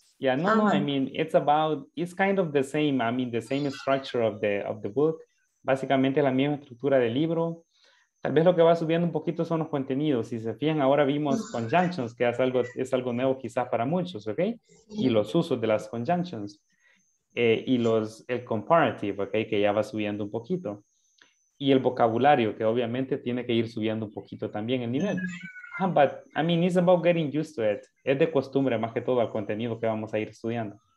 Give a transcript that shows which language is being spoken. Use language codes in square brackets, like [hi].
[en] Yeah, no, I mean, it's kind of the same, I mean, the same structure of the book, [es] básicamente la misma estructura del libro, tal vez lo que va subiendo un poquito son los contenidos, si se fijan, ahora vimos conjunctions, que es algo nuevo quizás para muchos, ¿ok? Y los usos de las conjunctions, y el comparative, ¿ok? Que ya va subiendo un poquito, y el vocabulario, que obviamente tiene que ir subiendo un poquito también el nivel. [en] But I mean, it's about getting used to it. [es] Es de costumbre más que todo al contenido que vamos a ir estudiando.